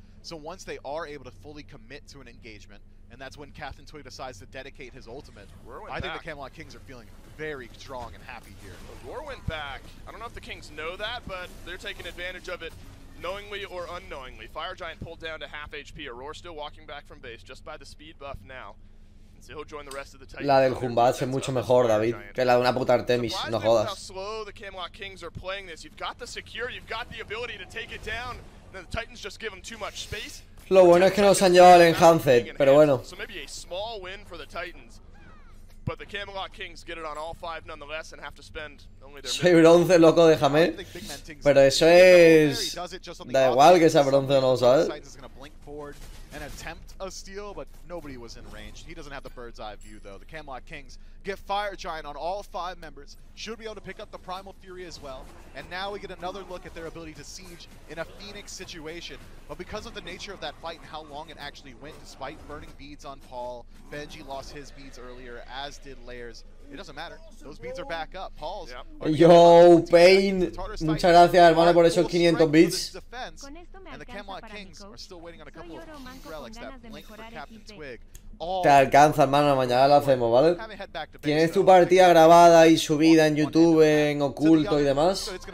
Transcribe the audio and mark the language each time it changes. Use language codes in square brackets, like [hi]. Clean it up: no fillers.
[en] So once they are able to fully commit to an engagement, and that's when Captain Twig decides to dedicate his ultimate, I think the Camelot Kings are feeling very strong and happy here. The Roar went back. I don't know if the Kings know that, but they're taking advantage of it. Knowingly or unknowingly, Fire Giant pulled down to half HP. Aurora still walking back from base, just by the speed buff now. And so he'll join the rest of the Titans. [es] La del Jumbats es mucho mejor, David, que la de una puta Artemis. No jodas. [en] How slow the Camelot Kings are playing this. You've got the secure, you've got the ability to take it down. And then the Titans just give them too much space. [es] Lo bueno es que nos han llevado el Enhanced, pero bueno. [en] So maybe a small win for the Titans. But the Camelot Kings get it on all five nonetheless and have to spend only their [es] bronce, loco, déjame. Pero eso es, da igual que sea bronce o no, ¿sabes? [en] Blink forward and attempt a steal, but nobody was in range. He doesn't have the bird's eye view though. The Camelot Kings get Fire Giant on all five members, should be able to pick up the Primal Fury as well. And now we get another look at their ability to siege in a Phoenix situation. But because of the nature of that fight and how long it actually went, despite burning beads on Paul, Benji lost his beads earlier, as did Lairs. It doesn't matter. Those beads are back up. Paul's. [es] Yep. Yo, Pain. Muchas gracias, hermano, por esos 500 beats. Defense, [en] and the Camelot Kings are still waiting on a couple of relics that link for Captain Twig. [es] Te alcanza, hermano, mañana lo hacemos, ¿vale? Tienes tu partida grabada y subida en YouTube, en oculto y demás.